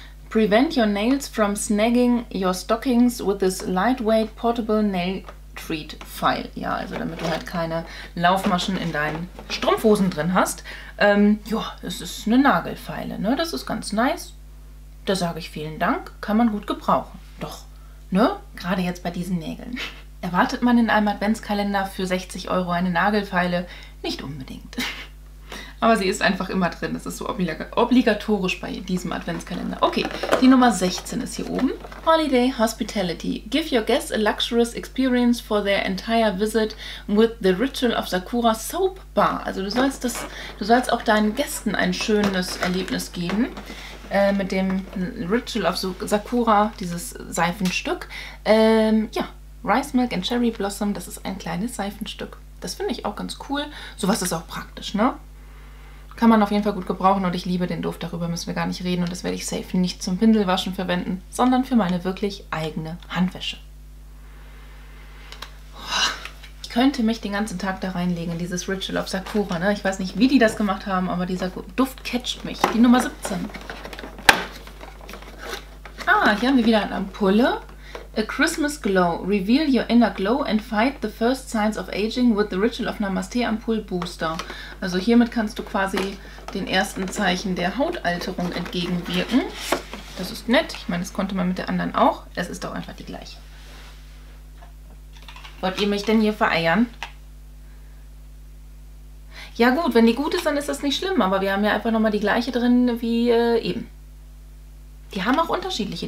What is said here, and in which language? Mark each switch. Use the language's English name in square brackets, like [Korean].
[English] Prevent your nails from snagging your stockings with this lightweight portable nail treat file. [German] Ja, also damit du halt keine Laufmaschen in deinen Strumpfhosen drin hast. Ja, es ist eine Nagelfeile, ne? Das ist ganz nice. Da sage ich vielen Dank, kann man gut gebrauchen. Doch, ne? Gerade jetzt bei diesen Nägeln. Erwartet man in einem Adventskalender für 60 Euro eine Nagelfeile? Nicht unbedingt. Aber sie ist einfach immer drin. Das ist so obligatorisch bei diesem Adventskalender. Okay, die Nummer 16 ist hier oben. Holiday Hospitality. [English] Give your guests a luxurious experience for their entire visit with the Ritual of Sakura Soap Bar. [German] Also du sollst auch deinen Gästen ein schönes Erlebnis geben. Mit dem Ritual of Sakura, dieses Seifenstück. Ja, Rice Milk and Cherry Blossom, das ist ein kleines Seifenstück. Das finde ich auch ganz cool. Sowas ist auch praktisch, ne? Kann man auf jeden Fall gut gebrauchen und ich liebe den Duft, darüber müssen wir gar nicht reden. Und das werde ich safe nicht zum Pinselwaschen verwenden, sondern für meine wirklich eigene Handwäsche. Ich könnte mich den ganzen Tag da reinlegen, dieses Ritual of Sakura, ne? Ich weiß nicht, wie die das gemacht haben, aber dieser Duft catcht mich. Die Nummer 17. Ah, hier haben wir wieder eine Ampulle. [English] A Christmas Glow. Reveal your inner glow and fight the first signs of aging with the Ritual of Namaste Ampoule Booster. [German] Also hiermit kannst du quasi den ersten Zeichen der Hautalterung entgegenwirken. Das ist nett. Ich meine, das konnte man mit der anderen auch. Es ist doch einfach die gleiche. Wollt ihr mich denn hier vereiern? Ja gut, wenn die gut ist, dann ist das nicht schlimm. Aber wir haben ja einfach nochmal die gleiche drin wie eben. Die haben auch unterschiedliche.